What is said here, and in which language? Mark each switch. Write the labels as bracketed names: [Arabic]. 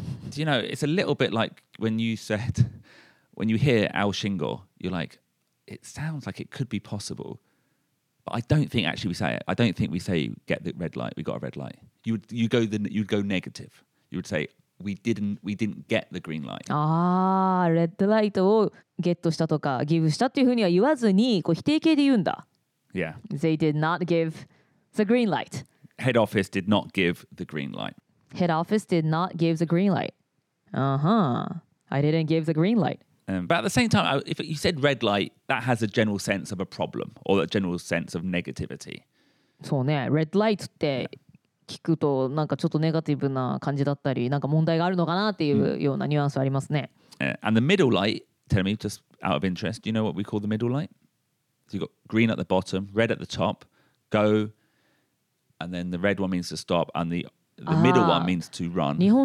[English] Do you know, it's a little bit like when you said, when you hear Al Shingle, you're like, it sounds like it could be possible. But I don't think actually we say it. I don't think we say get the red light, we got a red light. You'd go negative. You would say,We didn't get the green light. [Japanese] Ah, red light をゲットしたとか give したっていうふうには言わずに、こう否定形で言うんだ。 [English] Yeah. They did not give the green light. Head office did not give the green light. Head office did not give the green light. Uh-huh. I didn't give the green light. But at the same time, if you said red light, that has a general sense of a problem or a general sense of negativity. [Japanese] そうね、red light って、yeah. 聞くとなんかちょっとネガティブな感じだったり、なんか問題があるのかなっていうようなニュアンスありますね。 [English] And the middle light, tell me just out of interest, do you know what we call the middle light? So you've got green at the bottom, red at the top, go, and then the red one means to stop, and the middle one means to run.